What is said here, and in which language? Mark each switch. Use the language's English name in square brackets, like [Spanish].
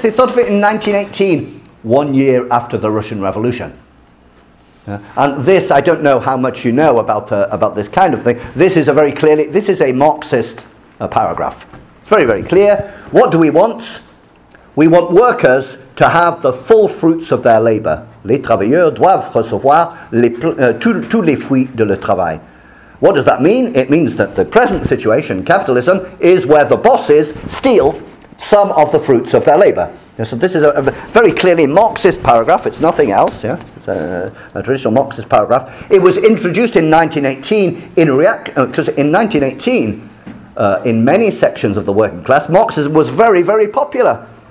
[English] They thought of it in 1918. 1 year after the Russian Revolution. And this, I don't know how much you know about this kind of thing. This is a very clearly, this is a Marxist paragraph. Very, very clear. What do we want? We want workers to have the full fruits of their labour. [French] Les travailleurs doivent recevoir tous les fruits de leur travail. [English] What does that mean? It means that the present situation, capitalism, is where the bosses steal some of the fruits of their labour. Yeah, so this is a very clearly Marxist paragraph. It's nothing else. Yeah, it's a traditional Marxist paragraph. It was introduced in 1918 in many sections of the working class, Marxism was very, very popular.